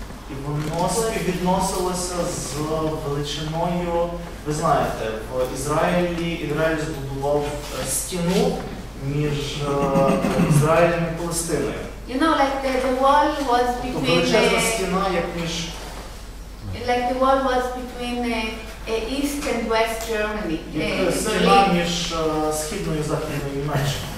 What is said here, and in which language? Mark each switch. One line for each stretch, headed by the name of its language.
Ukrainian: І воно співвідносилося з величиною, ви знаєте, в Ізраїлі, Ізраїль збудував стіну між Ізраїлем і Палестиною.
English: You know, like the wall was between
Ukrainian: тобто величезна стіна, як між...
English: Like the wall was between East and West Germany.
Ukrainian: Стіна між Східною і Західною Німеччиною.